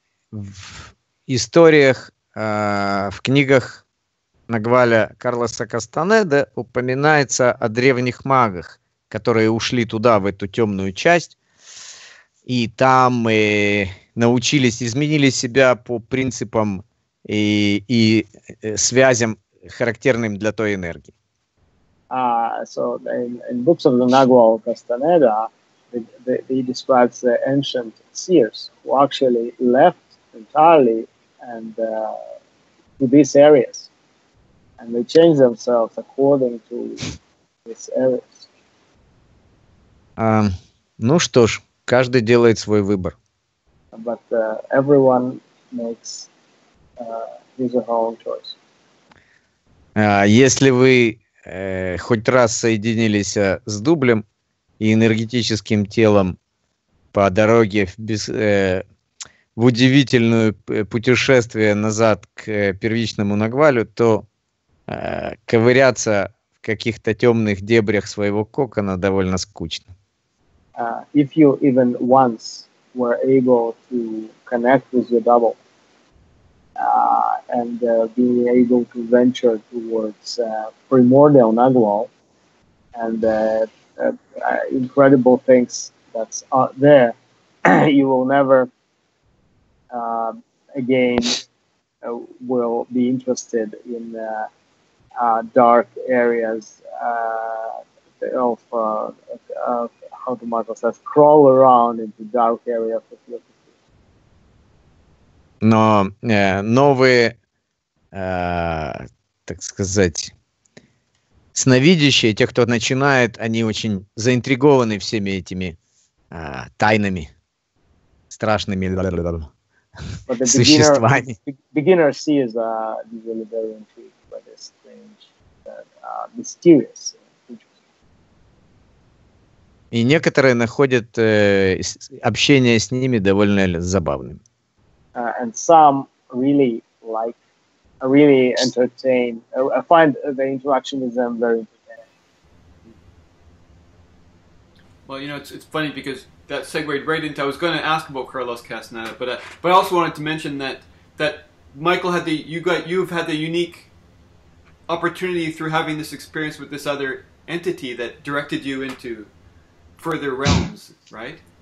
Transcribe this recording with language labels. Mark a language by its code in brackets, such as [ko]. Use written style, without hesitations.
[ru] в историях, в книгах Нагваля Карлоса Кастанеды упоминается о древних магах, которые ушли туда, в эту темную часть, и там и научились, изменили себя по принципам и связям, характерным для той энергии. [en] So in books of the Nagual Castaneda, he describes the ancient seers who actually left entirely and to these areas, and they change themselves according to these areas. [ru] Ну что ж, каждый делает свой выбор. [en] But everyone makes his or her own choice. [ru] Если вы хоть раз соединились с дублем и энергетическим телом по дороге в удивительное путешествие назад к первичному Нагвалю, то ковыряться в каких-то темных дебрях своего кокона довольно скучно. [en] If you even once were able to connect with your double, and being able to venture towards primordial Nagual and incredible things that's there, you will never again will be interested in dark areas of how to Michael says, crawl around into dark areas of your. [ru] Но новые, так сказать, сновидящие, те, кто начинает, они очень заинтригованы всеми этими тайнами, страшными существами. [en] Beginner sees usually very intrigued by this strange, mysterious. [ru] И некоторые находят общение с ними довольно забавным. [en] And some really like, really entertain, find the interaction with them very entertaining. Well, you know, it's funny because that segued right into, I was going to ask about Carlos Castaneda, but I also wanted to mention that Michael had you've had the unique opportunity through having this experience with this other entity that directed you into further realms, right?